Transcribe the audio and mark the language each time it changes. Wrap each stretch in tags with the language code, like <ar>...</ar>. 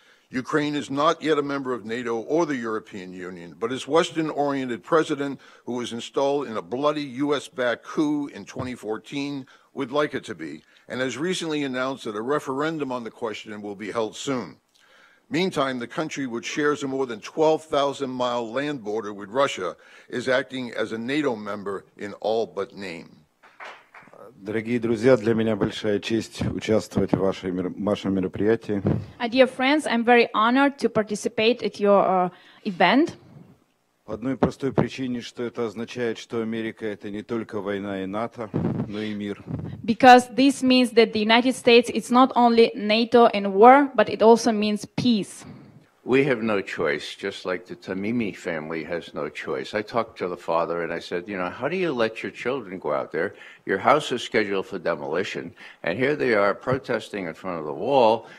<en>Ukraine is not yet a member of NATO or the European Union, but its Western-oriented president, who was installed in a bloody U.S.-backed coup in 2014, would like it to be, and has recently announced that a referendum on the question will be held soon. Meantime, the country, which shares a more than 12,000-mile land border with Russia, is acting as a NATO member in all but name.</en> <ru>Дорогие друзья, для меня большая честь участвовать в вашем мероприятии.</ru> <en>Dear friends, I'm very honored to participate at your event.</en> <ru>По одной простой причине, что это означает, что Америка это не только война и НАТО, но и мир.</ru> <en>Because this means that the United States it's not only NATO and war, but it also means peace. We have no choice, just like the Tamimi family has no choice. I talked to the father and I said, you know, how do you let your children go out there? Your house is scheduled for demolition, and here they are protesting in front of the wall.</en>